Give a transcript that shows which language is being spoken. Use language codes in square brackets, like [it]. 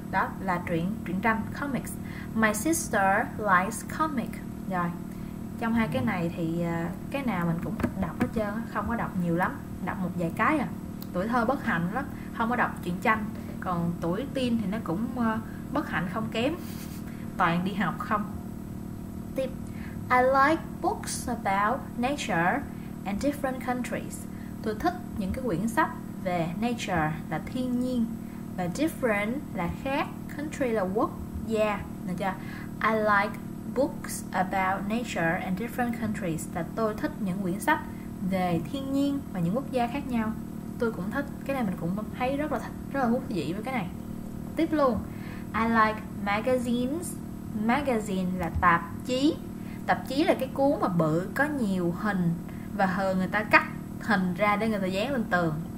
[vi] Đó là truyện tranh comics. [en] My sister likes comic. [vi] Rồi. Trong hai cái này thì cái nào mình cũng thích đọc hết trơn, không có đọc nhiều lắm, đọc một vài cái à. Tuổi thơ bất hạnh lắm, không có đọc truyện tranh. Còn tuổi teen thì nó cũng bất hạnh không kém. Toàn đi học không. Tiếp. [en] I like books about nature and different countries. [vi] Tôi thích những cái quyển sách về nature là thiên nhiên, và different là khác, country là quốc gia, được chưa? [en] I like books about nature and different countries. [vi] Là tôi thích những quyển sách về thiên nhiên và những quốc gia khác nhau. Tôi cũng thích. Cái này mình cũng thấy rất là thích, rất là thú vị với cái này. Tiếp luôn. [en] I like magazines. Magazine [vi] là tạp chí. Tạp chí là cái cuốn mà bự, có nhiều hình, và thường người ta cắt hình ra để người ta dán lên tường.